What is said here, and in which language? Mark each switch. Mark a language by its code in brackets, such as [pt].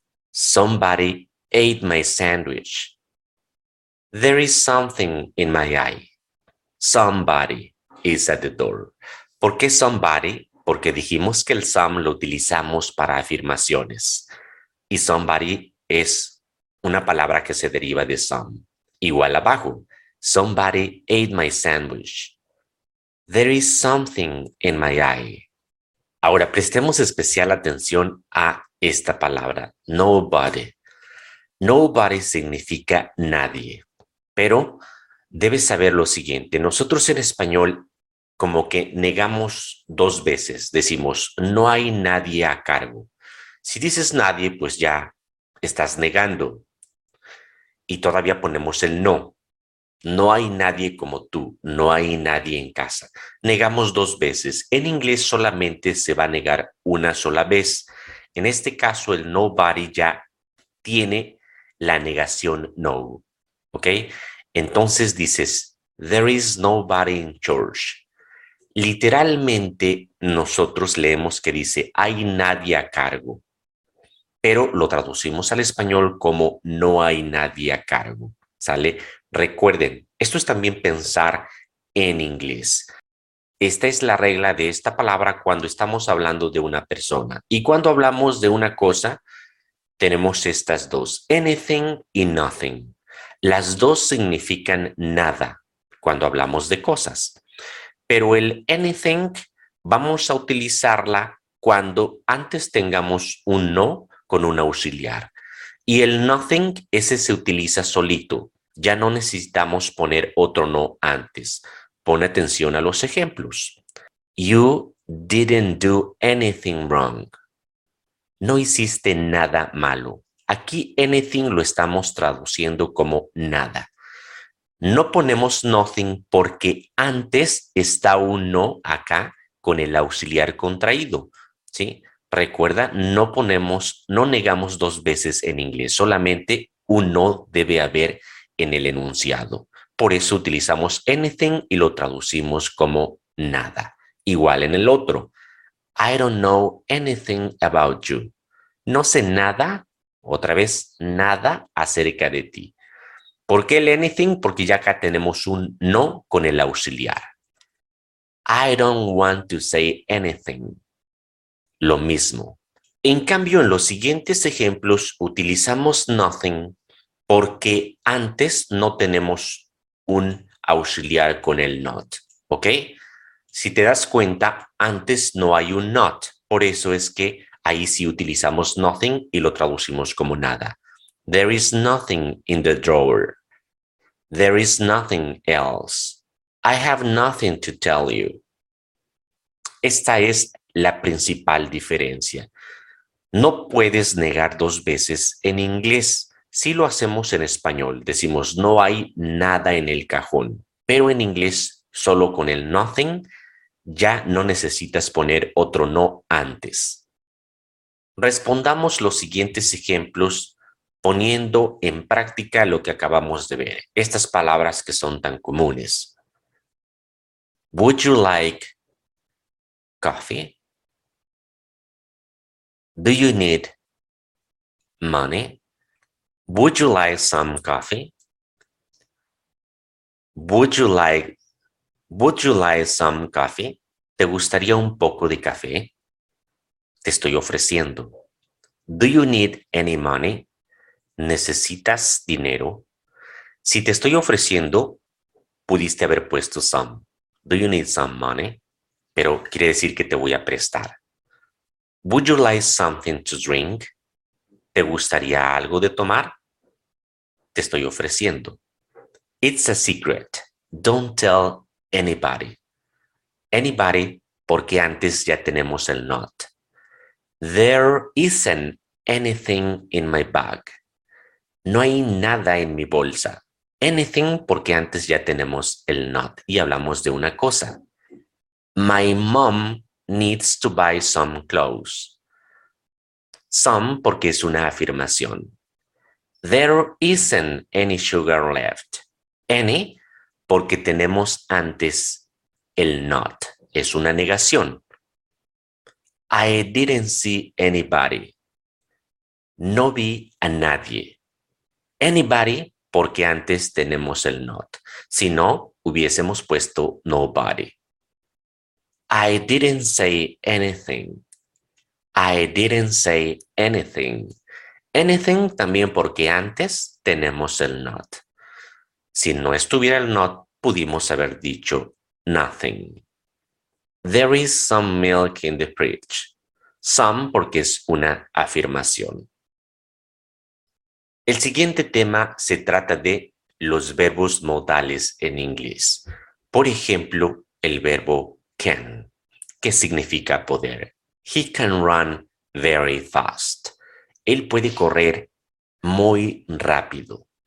[en] Somebody ate my sandwich. There is something in my eye. Somebody is at the door. [es] ¿Por qué somebody? Porque dijimos que el some lo utilizamos para afirmaciones. Y somebody es una palabra que se deriva de some. Igual abajo. [en] Somebody ate my sandwich. There is something in my eye. [es] Ahora, prestemos especial atención a esta palabra, nobody. Nobody significa nadie. Pero debes saber lo siguiente. Nosotros en español como que negamos dos veces. Decimos, no hay nadie a cargo. Si dices nadie, pues ya estás negando. Y todavía ponemos el no. No hay nadie como tú. No hay nadie en casa. Negamos dos veces. En inglés solamente se va a negar una sola vez. En este caso, el nobody ya tiene la negación no. ¿Ok? Entonces dices, [en] there is nobody in church. [es] Literalmente, nosotros leemos que dice, hay nadie a cargo. Pero lo traducimos al español como no hay nadie a cargo, ¿sale? Recuerden, esto es también pensar en inglés. Esta es la regla de esta palabra cuando estamos hablando de una persona. Y cuando hablamos de una cosa, tenemos estas dos, anything y nothing. Las dos significan nada cuando hablamos de cosas. Pero el anything vamos a utilizarla cuando antes tengamos un no con un auxiliar. Y el nothing, ese se utiliza solito. Ya no necesitamos poner otro no antes. Pon atención a los ejemplos. [en] You didn't do anything wrong. [es] No hiciste nada malo. Aquí anything lo estamos traduciendo como nada. No ponemos nothing porque antes está un no acá con el auxiliar contraído. ¿Sí? Recuerda, no negamos dos veces en inglés, solamente un no debe haber en el enunciado. Por eso utilizamos anything y lo traducimos como nada. Igual en el otro. [en] I don't know anything about you. [es] No sé nada, otra vez, nada acerca de ti. ¿Por qué el anything? Porque ya acá tenemos un no con el auxiliar. [en] I don't want to say anything. [es] Lo mismo. En cambio, en los siguientes ejemplos utilizamos nothing porque antes no tenemos un auxiliar con el not, ¿ok? Si te das cuenta, antes no hay un not. Por eso es que ahí sí utilizamos nothing y lo traducimos como nada. [en] There is nothing in the drawer. There is nothing else. I have nothing to tell you. [es] Esta es la principal diferencia. No puedes negar dos veces en inglés. Sí lo hacemos en español. Decimos, no hay nada en el cajón. Pero en inglés, solo con el nothing, ya no necesitas poner otro no antes. Respondamos los siguientes ejemplos poniendo en práctica lo que acabamos de ver. Estas palabras que son tan comunes. [en] Would you like coffee? Do you need money? Would you like some coffee? Would you like some coffee? [es] ¿Te gustaría un poco de café? Te estoy ofreciendo. [en] Do you need any money? [es] ¿Necesitas dinero? Si te estoy ofreciendo, pudiste haber puesto some. [en] Do you need some money? [es] pero quiere decir que te voy a prestar. [en] Would you like something to drink? [es] ¿Te gustaría algo de tomar? Te estoy ofreciendo. [en] It's a secret. Don't tell anybody. [es] Anybody, porque antes ya tenemos el not. [en] There isn't anything in my bag. [es] No hay nada en mi bolsa. Anything, porque antes ya tenemos el not y hablamos de una cosa. [en] My mom needs to buy some clothes. [es] Some, porque es una afirmación. [en] There isn't any sugar left. [es] Any, porque tenemos antes el not. Es una negación. [en] I didn't see anybody. [es] No vi a nadie. Anybody, porque antes tenemos el not. Si no, hubiésemos puesto nobody. [en] I didn't say anything. I didn't say anything. [es] Anything también porque antes tenemos el not. Si no estuviera el not, pudimos haber dicho nothing. [en] There is some milk in the fridge. [es] Some porque es una afirmación. El siguiente tema se trata de los verbos modales en inglés. Por ejemplo, el verbo can, que significa poder. [en] He can run very fast. [es] Él puede correr muy rápido.